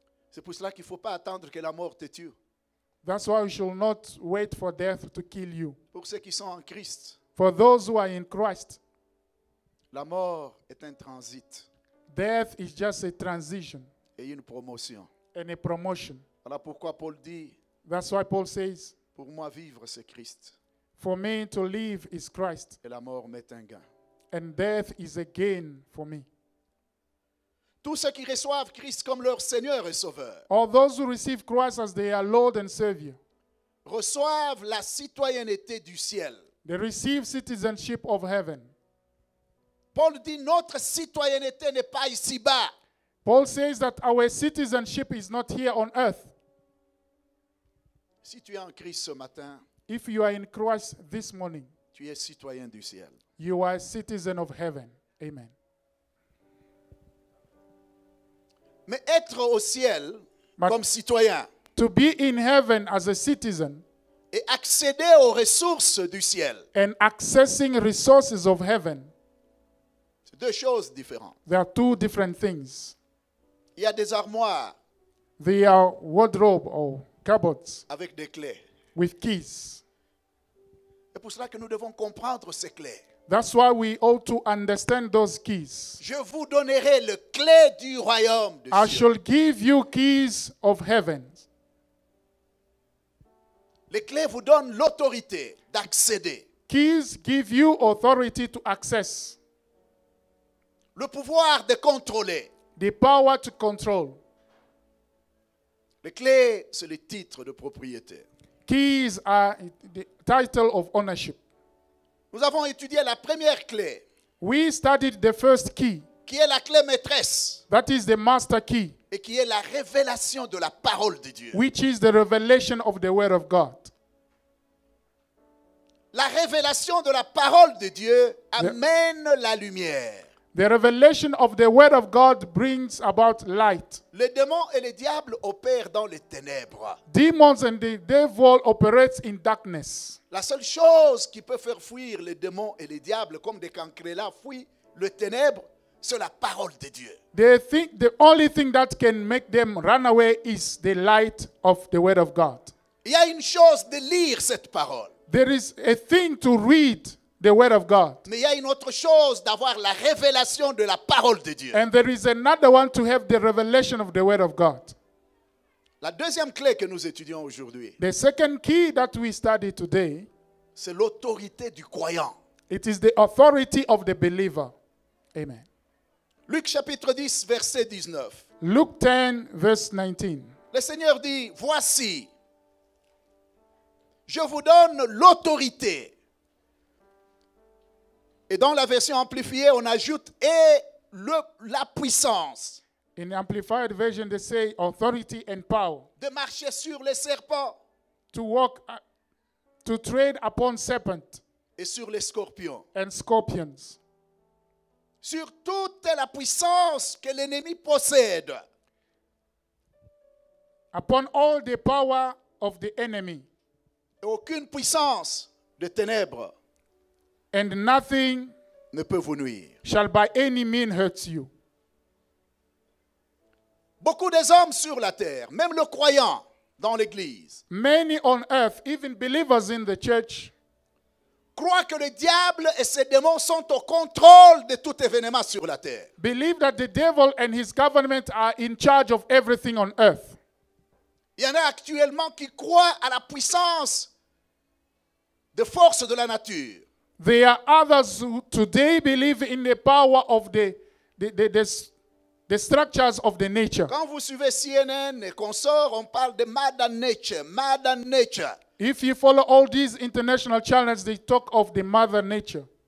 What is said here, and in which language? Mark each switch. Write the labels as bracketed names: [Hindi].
[French] C'est pour cela qu'il ne faut pas attendre que la mort te tue. [English] That's why we should not wait for death to kill you. [French] Pour ceux qui sont en Christ, [English] for those who are in Christ, [French] la mort est un transit. [English] Death is just a transition. [French] Et une promotion. [English] And a promotion. [French] Voilà pourquoi Paul dit, [English] that's why Paul says, [French] pour moi vivre c'est Christ. [English] For me to live is Christ. [French] Et la mort m'est un gain. [English] And death is a gain for me. [French] Tous ceux qui reçoivent Christ comme leur Seigneur et Sauveur. [English] All those who receive Christ as their Lord and Savior. [French] Reçoivent la citoyenneté du ciel. [English] They receive citizenship of heaven. [French] Paul dit notre citoyenneté n'est pas ici-bas. [English] Paul says that our citizenship is not here on earth. [French] Si tu es en Christ ce matin, [English] if you are in Christ this morning, [French] tu es citoyen du ciel. [English] You are a citizen of heaven. Amen. [French] Mais être au ciel comme citoyen, [English] to be in heaven as a citizen, [French] et accéder aux ressources du ciel. [English] And accessing resources of heaven. [French] C'est deux choses différentes. [English] There are two different things. [French] Il y a des armoires. [English] There are wardrobe or cupboards. [French] Avec des clés. [English] With keys. [French] C'est pour cela que nous devons comprendre ces clés. [English] That's why we ought to understand those keys. [French] Je vous donnerai le clé du royaume de Dieu. [English] I shall give you keys of heaven. [French] Les clés vous donnent l'autorité d'accéder. [English] Keys give you authority to access. [French] Le pouvoir de contrôler. [English] The power to control. [French] Les clés, c'est le titre de propriété. [English] Keys are the title of ownership. [French] Nous avons étudié la première clé. [English] We studied the first key. [French] Qui est la clé maîtresse. [English] That is the master key. [French] Et qui est la révélation de la parole de Dieu. [English] Which is the revelation of the word of God. [French] La révélation de la parole de Dieu amène la lumière. [English] The revelation of the word of God brings about light. [French] Les démons et les diables opèrent dans les ténèbres. [English] Demons and the devil operates in darkness. [French] La seule chose qui peut faire fuir les démons et les diables comme des cancrelats fuient le ténèbre, c'est la parole de Dieu. [English] The only thing that can make them run away is the light of the word of God. [French] Il y a une chose de lire cette parole. [English] There is a thing to read the word of God. [French] Mais il y a une autre chose d'avoir la révélation de la parole de Dieu. [English] And there is another one to have the revelation of the word of God. [French] La deuxième clé que nous étudions aujourd'hui. [English] The second key that we study today. [French] C'est l'autorité du croyant. [English] It is the authority of the believer. Amen. [French] Luc chapitre 10 verset 19. [English] Luke 10 verse 19. [French] Le Seigneur dit, voici. Je vous donne l'autorité. Et dans la version amplifiée, on ajoute et la puissance. [English] In the amplified version, they say authority and power. [French] De marcher sur les serpents. [English] To tread upon serpents. [French] Et sur les scorpions. [English] And scorpions. [French] Sur toute la puissance que l'ennemi possède. [English] Upon all the power of the enemy. [French] Et aucune puissance de ténèbres. [English] And nothing [French] ne peut vous nuire. [English] Shall by any means hurt you. [French] Beaucoup des hommes sur la terre, même le croyant dans l'église. [English] Many on earth, even believers in the church, [French] croient que le diable et ses démons sont au contrôle de tout événement sur la terre. [English] Believe that the devil and his government are in charge of everything on earth. [French] Il y en a actuellement qui croient à la puissance des forces de la nature. [English] There are others who today believe in the power of the structures of the nature. [French] Quand vous suivez CNN et consorts, on parle de Mother Nature, Mother Nature. [English] If you follow all these international channels, they talk of the Mother Nature.